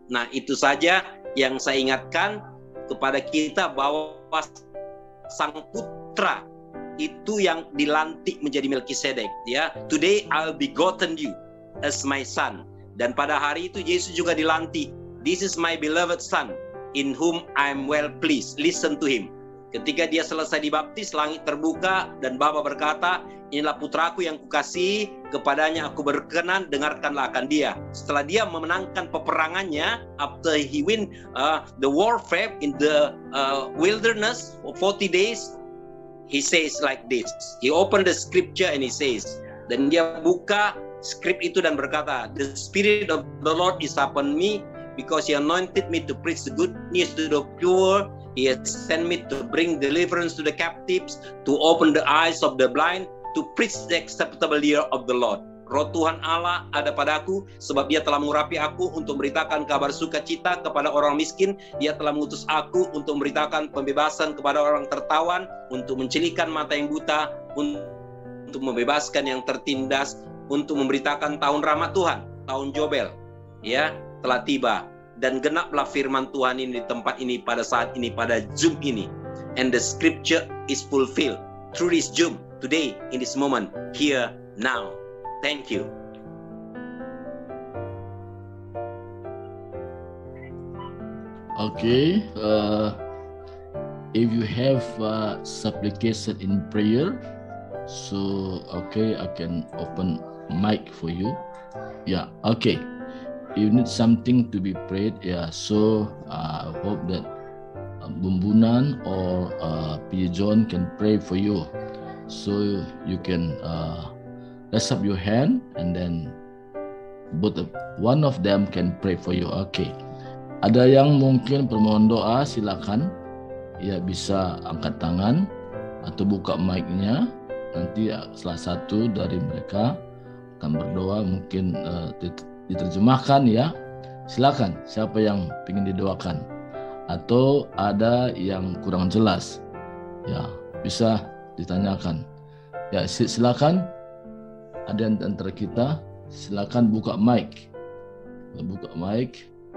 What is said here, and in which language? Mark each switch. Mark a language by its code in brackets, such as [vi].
[id] Nah, itu saja yang saya ingatkan kepada kita bahwa sang putra itu yang dilantik menjadi Melkisedek, ya. [en] Today I'll begotten you as my son. [id] Dan pada hari itu Yesus juga dilantik. [en] This is my beloved son in whom I'm well pleased. Listen to him. [id] Ketika dia selesai dibaptis, langit terbuka dan Bapa berkata, inilah putraku yang kukasihi, kepadanya aku berkenan, dengarkanlah akan dia. Setelah dia memenangkan peperangannya, [en] after he win the warfare in the wilderness for 40 days, he says like this. He opened the scripture and he says, [id] dan dia buka skrip itu dan berkata, [en] the spirit of the Lord is upon me because he anointed me to preach the good news to the poor. He has sent me to bring deliverance to the captives, to open the eyes of the blind, to preach the acceptable year of the Lord. [id] Roh Tuhan Allah ada padaku, sebab dia telah mengurapi aku untuk memberitakan kabar sukacita kepada orang miskin. Dia telah mengutus aku untuk memberitakan pembebasan kepada orang tertawan, untuk mencelikan mata yang buta, untuk membebaskan yang tertindas, untuk memberitakan tahun rahmat Tuhan, tahun Jobel, ya, telah tiba. Dan genaplah firman Tuhan ini di tempat ini, pada saat ini, pada Zoom ini. [en] And the scripture is fulfilled through this Zoom, today, in this moment, here, now. Thank you. Okay. If you have supplication in prayer, so, okay, I can open mic for you. Yeah, okay. You need something to be prayed, yeah. So I hope that Bumbunan or Pijon can pray for you. So you can raise up your hand and then both one of them can pray for you. Okay. [id] Ada yang mungkin permohon doa, silakan. Ya, bisa angkat tangan atau buka mic-nya. Nanti salah satu dari mereka akan berdoa mungkin. Diterjemahkan ya, silakan siapa yang ingin didoakan atau ada yang kurang jelas ya bisa ditanyakan ya, silakan ada yang antara kita, silakan buka mic, buka mic.